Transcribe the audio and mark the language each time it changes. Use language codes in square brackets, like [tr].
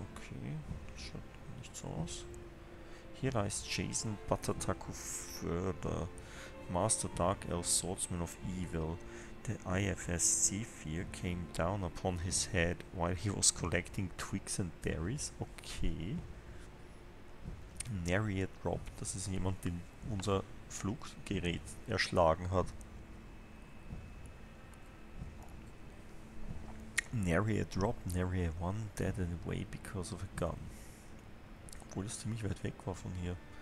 [en] Okay, [de] das schaut nicht so aus. [en] Here lies Jason Buttertaku Förder, Master Dark Elf Swordsman of Evil. The IFS Zephyr came down upon his head while he was collecting twigs and berries. Okay. [de] Nariad Rob, das ist jemand, den unser Fluggerät erschlagen hat. [en] Nary a drop, nary a one, dead and away because of a gun. [de] Obwohl das ziemlich weit weg war von hier.